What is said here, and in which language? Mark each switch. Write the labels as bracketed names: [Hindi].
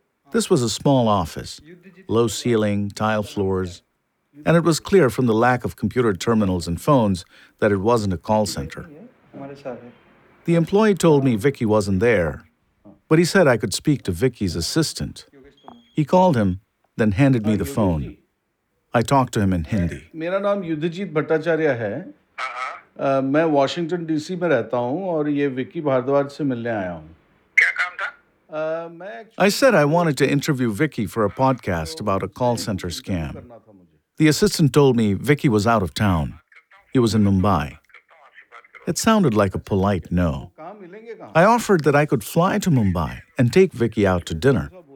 [English] This was a small office, low ceiling, tile floors, and it was clear from the lack of computer terminals and phones that it wasn't a call center. The employee told me Vicky wasn't there, but he said I could speak to Vicky's assistant. He called him, then handed me the phone. I talked to him in Hindi. My name is Yudhijit Bhattacharya. [Hindi] मैं Washington DC में रहता हूं और ये विक्की भारद्वाज से मिलने आया हूं. [English] I said I wanted to interview Vicky for a podcast about a call center scam. The assistant told me Vicky was out of town. He was in Mumbai. It sounded like a polite no. I offered that I could fly to Mumbai and take Vicky out to dinner.